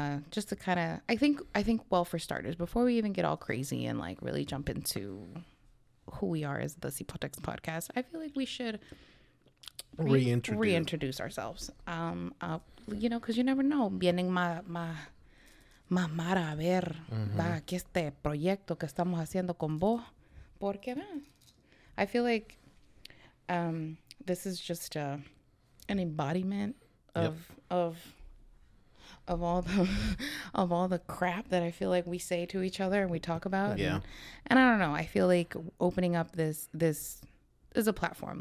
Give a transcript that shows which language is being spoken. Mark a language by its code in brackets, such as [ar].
[en] Just to kind of, I think, well, for starters, before we even get all crazy and like really jump into who we are as the Cipotex podcast, I feel like we should reintroduce ourselves. You know, because you never know. [es] Vienen más mara a ver, va, que este proyecto que estamos haciendo con vos. Porque, [en] man, I feel like this is just an embodiment of all the crap that I feel like we say to each other and we talk about. Yeah. And I don't know. I feel like opening up this is a platform.